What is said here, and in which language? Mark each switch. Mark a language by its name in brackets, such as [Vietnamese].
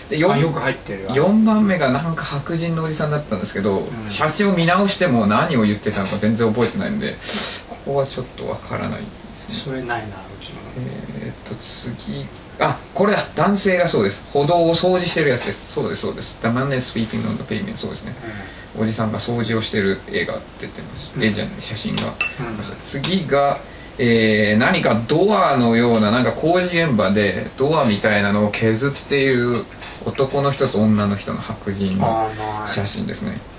[Japanese] で、よく入ってるわ。 4番目がなんか白人のおじさんだったんですけど、うん、写真を見直しても何を言ってたのか全然覚えてないんで、ここはちょっとわからないですね。それないな、うちの。次、あ、これだ、男性が、そうです、歩道を掃除してるやつです。そうです、そうです、 [English] The man is sweeping on the pavement、 [Japanese] そうですね、うん、おじさんが掃除をしてる絵が出てます、うん、絵じゃない、写真が、うん、次が、何かドアのような、なんか工事現場でドアみたいなのを削っている男の人と女の人の白人の写真ですね。